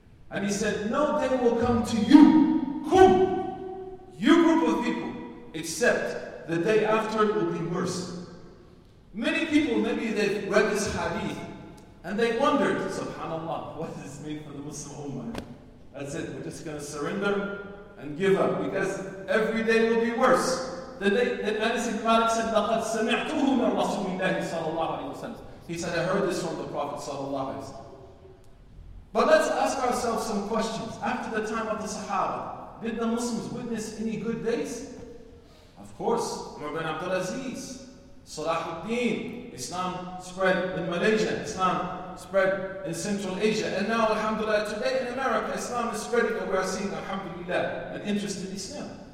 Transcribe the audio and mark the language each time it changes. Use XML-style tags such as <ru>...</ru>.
<en>And he said, no day will come to you, kum, you group of people, except the day after it will be worse. Many people, maybe they've read this hadith, and they wondered, subhanAllah, what does this mean for the Muslim Ummah? That's it, we're just going to surrender and give up, because every day will be worse. The day that Anas ibn Malik said,</en> <ar>لَقَدْ سَمِعْتُهُ مَنْ رَسُولِ اللَّهِ صلى الله عليه وسلم.</ar> <en>He said, I heard this from the Prophet صلى الله عليه وسلم. But let's ask ourselves some questions. After the time of the Sahaba, did the Muslims witness any good days? Of course, Umar bin Abdul Aziz, Salahuddin, Islam spread in Malaysia, Islam spread in Central Asia, and now, alhamdulillah, today in America, Islam is spreading, and we are seeing, alhamdulillah, an interest in Islam.</en>